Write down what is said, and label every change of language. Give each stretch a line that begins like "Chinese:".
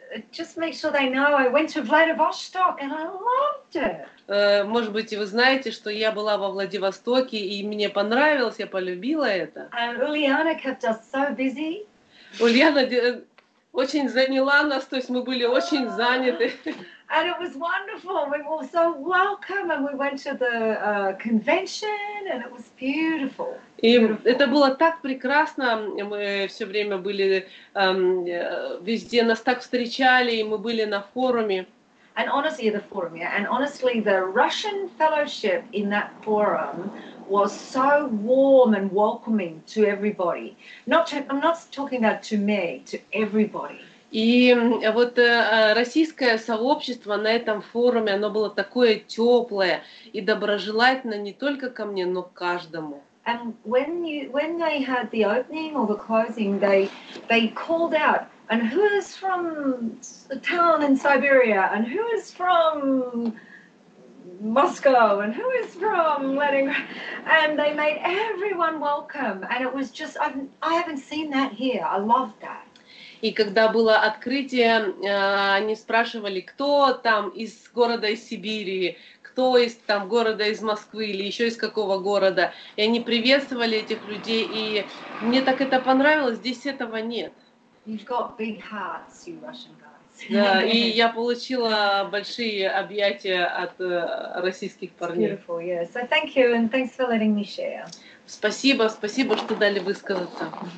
English: just make sure they know I went to Vladivostok and I loved it.
Russian: Может быть, и вы знаете, что я была во Владивостоке, и мне понравилось, я полюбила это.
English: And Ульяна kept us so busy.
Russian: Ульяна очень заняла нас, то есть мы были очень заняты.
English: And it was wonderful. We were so welcome, and we went to the convention, and it was beautiful.
Russian: И это было так прекрасно. Мы все время были везде нас так встречали, и мы были на форуме.
English: And honestly, the forum, yeah. And honestly, the Russian fellowship in that forum was so warm and welcoming to everybody. I'm not talking about to me, to everybody.
Russian: И вот российское сообщество на этом форуме, оно было такое теплое и доброжелательно не только ко мне, но к каждому.
English: And when they had the opening or the closing, they called out, and who is from the town in Siberia, and who is from Moscow, and who is from Leningrad, and they made everyone welcome, and it was just I haven't seen that here. I loved that.
Russian: И когда было открытие, они спрашивали, кто там из города из Сибири, кто из там города из Москвы или еще из какого города. И они приветствовали этих людей, и мне так это понравилось, здесь этого нет.
English: You've got big hearts, you Russian guys.
Russian: Да, и я получила большие объятия от российских парней.
English: It's beautiful, yeah. So thank you, and thanks for letting me share.
Russian: Спасибо, спасибо, что дали высказаться.